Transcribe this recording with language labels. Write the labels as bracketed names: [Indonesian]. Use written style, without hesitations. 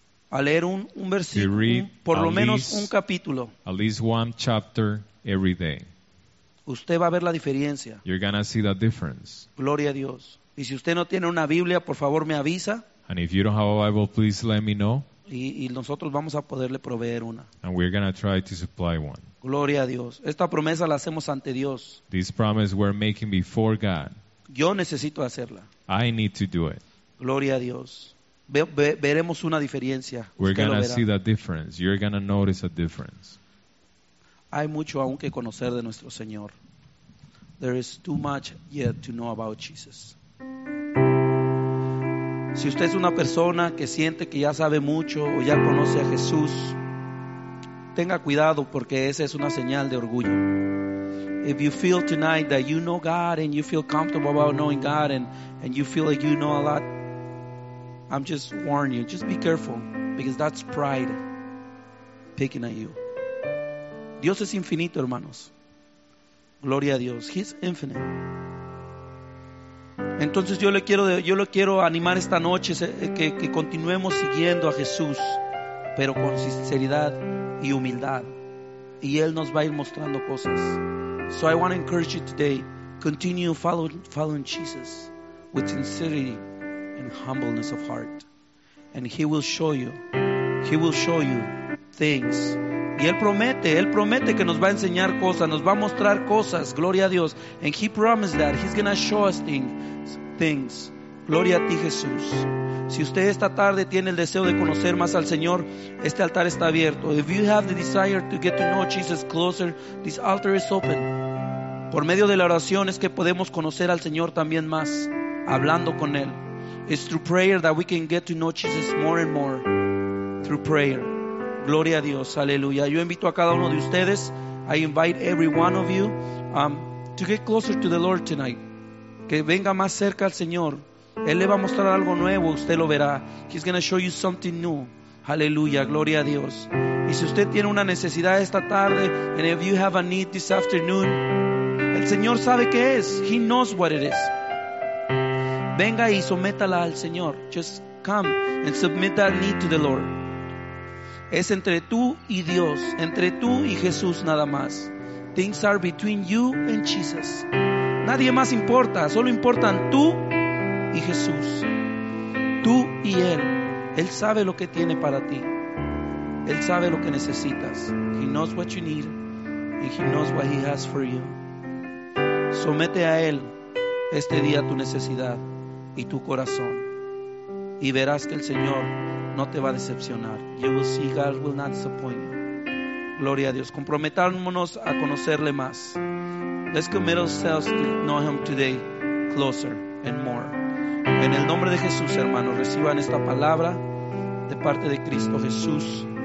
[Spanish] A leer un versículo, por lo menos un capítulo. [English] At least one chapter every day. [Spanish] Usted va a ver la diferencia. [English] You're gonna see the difference. [Spanish] Gloria a Dios. Y si usted no tiene una Biblia, por favor me avisa. [English] And if you don't have a Bible, please let me know. [Spanish] Y nosotros vamos a poderle proveer una. [English] And we're gonna try to supply one. [Spanish] Gloria a Dios. Esta promesa la hacemos ante Dios. [English] This promise we're making before God. [Spanish] Yo necesito hacerla. [English] I need to do it. [Spanish] Gloria a Dios. Veremos una diferencia. [English] We're gonna see the difference. You're gonna notice a difference. [Spanish] Hay mucho aún que conocer de nuestro Señor. [English] There is too much yet to know about Jesus. [Spanish] Si usted es una persona que siente que ya sabe mucho o ya conoce a Jesús, tenga cuidado porque esa es una señal de orgullo. [English] If you feel tonight that you know God and you feel comfortable about knowing God and you feel like you know a lot, I'm just warning you, just be careful, because that's pride picking at you. [Spanish] Dios es infinito, hermanos. Gloria a Dios. [English] He's infinite. [Spanish] Entonces yo le quiero animar esta noche que continuemos siguiendo a Jesús, pero con sinceridad y humildad, y Él nos va a ir mostrando cosas. [English] So I want to encourage you today, continue following Jesus with sincerity and humbleness of heart, and He will show you things. [Spanish] Y Él promete que nos va a enseñar cosas, nos va a mostrar cosas, gloria a Dios. [English] And He promised that He's going to show us things. [Spanish] Gloria a ti, Jesús. Si usted esta tarde tiene el deseo de conocer más al Señor, este altar está abierto. [English] If you have the desire to get to know Jesus closer, this altar is open. [Spanish] Por medio de la oración es que podemos conocer al Señor también más, hablando con Él. [English] It's through prayer that we can get to know Jesus more and more. Through prayer. [Spanish] Gloria a Dios, aleluya. Yo invito a cada uno de ustedes, [English] I invite every one of you, to get closer to the Lord tonight. [Spanish] Que venga más cerca al Señor. Él le va a mostrar algo nuevo, usted lo verá. [English] He's going to show you something new. [Spanish] Aleluya, gloria a Dios. Y si usted tiene una necesidad esta tarde, [English] and if you have a need this afternoon, [Spanish] el Señor sabe qué es. [English] He knows what it is. [Spanish] Venga y sométala al Señor. [English] Just come and submit that need to the Lord. [Spanish] Es entre tú y Dios, entre tú y Jesús nada más. [English] Things are between you and Jesus. [Spanish] Nadie más importa, solo importan tú y Jesús. Tú y Él. Él sabe lo que tiene para ti. Él sabe lo que necesitas. [English] He knows what you need and He knows what He has for you. [Spanish] Somete a Él este día tu necesidad y tu corazón, y verás que el Señor no te va a decepcionar. [English] You will see God will not disappoint you. [Spanish] Gloria a Dios. Comprometámonos a conocerle más. [English] Let's commit ourselves to know Him today closer and more. [Spanish] En el nombre de Jesús, hermanos, reciban esta palabra de parte de Cristo Jesús.